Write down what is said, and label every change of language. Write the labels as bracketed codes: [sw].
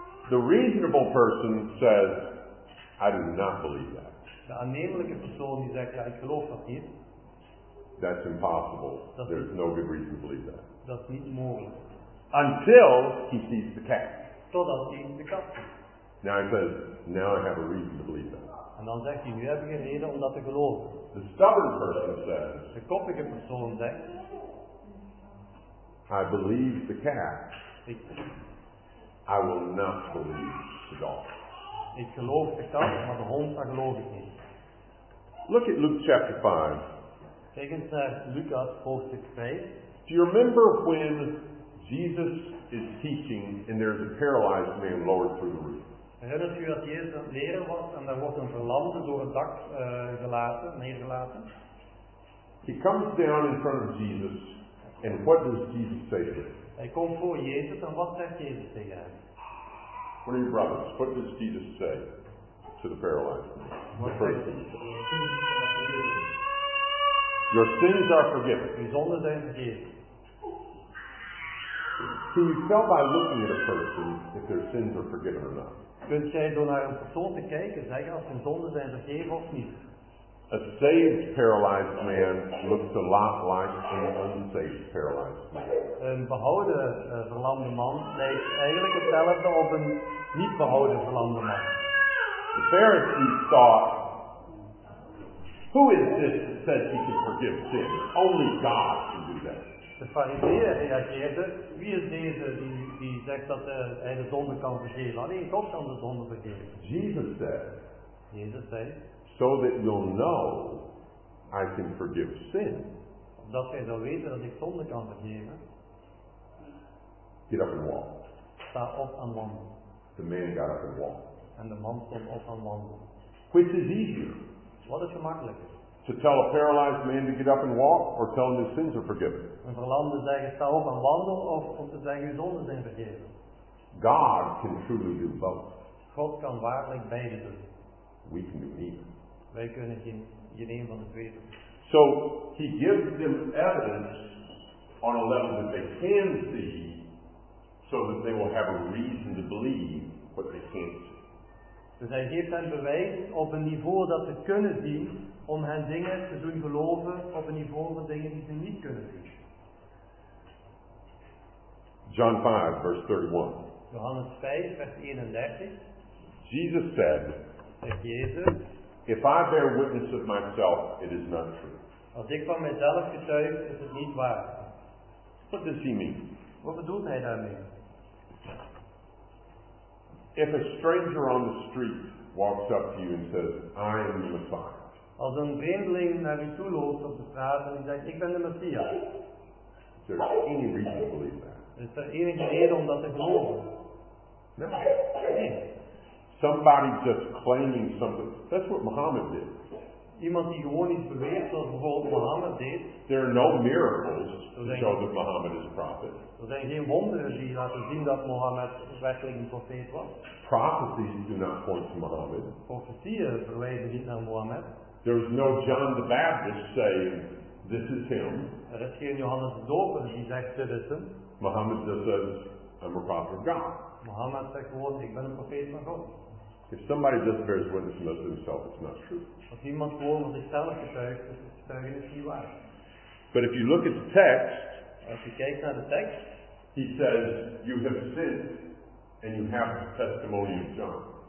[en] The reasonable person says, I do not believe that. [nl] De aannemelijke persoon die zegt, ja, ik geloof dat niet. [en] That's impossible. There's no good reason to believe that. [nl] Dat is niet mogelijk. [en] Until he sees the cat. [nl] Totdat hij de kat ziet. [en] Now he says, now I have a reason to believe that. [nl] En dan zegt hij, nu heb ik een reden om dat te geloven. [en] The stubborn person says, [nl] de koppige persoon zegt, [en] I believe the cat. [nl] Ik, [en] I will not believe the dog. [nl] Ik geloof de kat, maar de hond daar geloof ik niet. [en] Look at Luke chapter 5. [nl] Kijk eens naar Lucas hoofdstuk 5. [en] Do you remember when Jesus is teaching and there is a paralyzed man lowered through the roof? [nl] Herinnert u dat Jezus aan het leren was en daar wordt een verlamde door het dak neergelaten? [en] He comes down in front of Jesus. And what does Jesus say to him? [nl] Hij komt voor Jezus en wat zegt Jezus tegen hem? [en] What are your brothers? What does Jesus say to the paralyzed? What the first thing he says. Your sins are forgiven. [nl] Die Sünde sind vergeben. [en] Can you tell by looking at a person if their sins are forgiven or not? [nl] Kunt jij door naar een persoon te kijken zeggen of zijn zonden zijn vergeven of niet? [en] A saved paralyzed man looks a lot like an unsaved paralyzed man. [nl] Een behouden verlamde man lijkt eigenlijk hetzelfde op een niet behouden verlamde man. [en] The Pharisees thought, who is this that says he can forgive sin? Only God can do that. [nl] De fariseer reageerde, wie is deze die zegt dat hij de zonde kan vergeven? Alleen God kan de zonde vergeven. [en] Jesus said, [nl] Jezus zei, [en] so that you'll know I can forgive sin. [nl] Dat jij zou weten dat ik zonde kan vergeven. [en] Get up and walk. [nl] Sta op en wandel. [en] The man got up and walked. [nl] En de man stond op en wandel. [en] Which is easier? [nl] Wat is gemakkelijker? [en] To tell a paralyzed man to get up and walk, or tell him his sins are forgiven. [nl] Een verlamde zeggen sta op en wandel, of om te zeggen je zonden zijn vergeven. [en] God can truly do both. [nl] God kan waarlijk beide doen. [en] We can do neither. [nl] Wij kunnen geen een van de twee doen. [en] So he gives them evidence on a level that they can see, so that they will have a reason to believe what they can't see. [nl] Dus hij geeft hen bewijs op een niveau dat ze kunnen zien. Om hen dingen te doen geloven op een niveau van dingen die ze niet kunnen zien. [en] John 5, verse 31. [nl] Johannes 5, vers 31. [en] Jesus said, [nl] Jezus, [en] if I bear witness of myself, it is not true. [nl] Als ik van mezelf getuig, is het niet waar. [en] What does he mean? [nl] Wat bedoelt hij daarmee? [en] If a stranger on the street walks up to you and says, I am the Messiah. [nl] Als een vreemdeling naar u toe loopt op de straat en zegt, ik ben de Messias. [en] Is there any reason to believe that? [nl] Is er enige reden om dat te geloven? [en] Nee. Somebody just claiming something. That's what Muhammad did. [nl] Iemand die gewoon iets beweert, zoals bijvoorbeeld Muhammad deed. [en] There are no miracles to show that Muhammad is a prophet. [nl] Er zijn geen wonderen die laten zien dat Muhammad werkelijk een profeet was. [en] Prophecies do not point to Muhammad. [nl] Profetieën verwijzen niet naar Muhammad. [en] There is no John the Baptist saying, this is him. [nl] Er is geen Johannes de Doper die zegt, dit is hem. [en] Muhammad just says, I'm a prophet of God. [nl] Muhammad zegt gewoon, ik ben een profeet van God. [en] If somebody just bears witness and does it himself, it's not true. [nl] Als iemand gewoon van zichzelf getuigt, is het getuigen is niet waar. [en] But if you look at the text, [nl] als je kijkt naar de tekst, [en] he says, you have sinned, and you have the testimony of John.